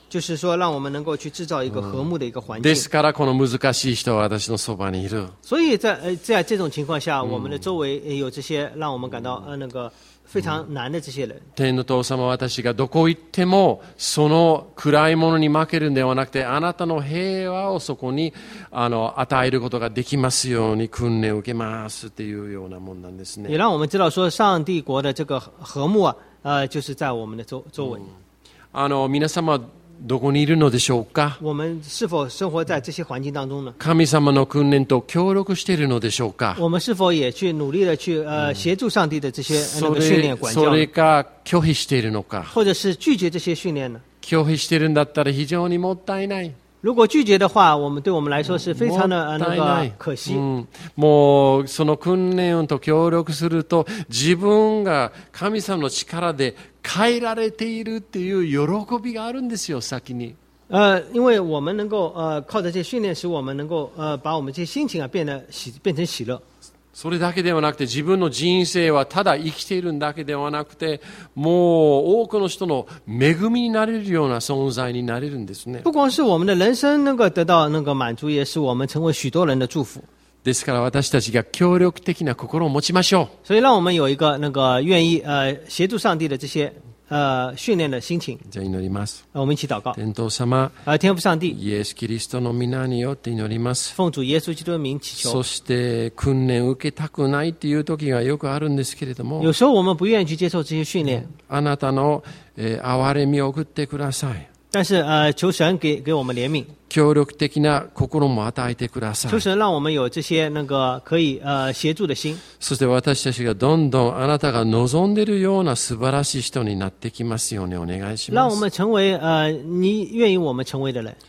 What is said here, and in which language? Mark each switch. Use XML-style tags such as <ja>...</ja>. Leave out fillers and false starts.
<zh>就是说，让我们能够去制造一个和睦的一个环境。</zh> <ja>ですからこの難しい人は私のそばにいる。</ja> <zh>所以在这种情况下，我们的周围有这些让我们感到那个非常难的这些人。</zh> <ja>天の父様、私がどこ行ってもその暗いものに負けるんではなくて、あなたの平和をそこに与えることができますように訓練を受けますっていうようなもんなんですね。</ja> <zh>也让我们知道说，上帝国的这个和睦啊。就是在我们的周围。</zh> <ja>皆様どこにいるのでしょうか。</ja> <zh>我们是否生活在这些环境当中呢？</zh> <ja>神様の訓練と協力しているのでしょうか。</ja> <zh>我们是否也去努力的去协助上帝的这些那个训练管教？</zh> <ja>それか拒否しているのか。</ja> <zh>或者是拒绝这些训练呢？</zh> <ja>拒否しているんだったら非常にもったいない。</ja> <zh>如果拒绝的话，我们对我们来说是非常的那个可惜。</zh> <ja>もうその訓練と協力すると、自分が神様の力で変えられているっていう喜びがあるんですよ、先に。</ja> <zh>因为我们能够靠着这些训练，使我们能够把我们这些心情啊变成喜乐。</zh> <ja>それだけではなくて、自分の人生はただ生きているんだけではなくて、もう多くの人の恵みになれるような存在になれるんですね。</ja> <zh>不光是我们的人生能够得到那个满足，也是我们成为许多人的祝福。</zh> <ja>ですから私たちが協力的な心を持ちましょう。</ja> <zh>所以让我们有一个那个愿意协助上帝的这些训练的心情。</zh> <ja>じゃあ祈ります。</ja> <zh>我们一起祷告。</zh> <ja>天父様。</ja> <zh>天父上帝。</zh> <ja>イエスキリストの皆によって祈ります。</ja> <zh>奉主耶稣基督的名祈求。</zh> <ja>そして訓練受けたくないっていう時がよくあるんですけれども。</ja> <zh>有时候我们不愿意去接受这些训练。</zh> <ja>あなたの憐れみを送ってください。</ja> <zh>但是求神 给我们怜悯。</zh> <ja>協力的な心も与えてください。</ja> <zh>求神让我们有这些那个可以协助的心。</zh> <ja>そして私たちがどんどんあなたが望んでいるような素晴らしい人になってきますようにお願いします。</ja> <zh>让我们成为你愿意我们成为的人。</zh>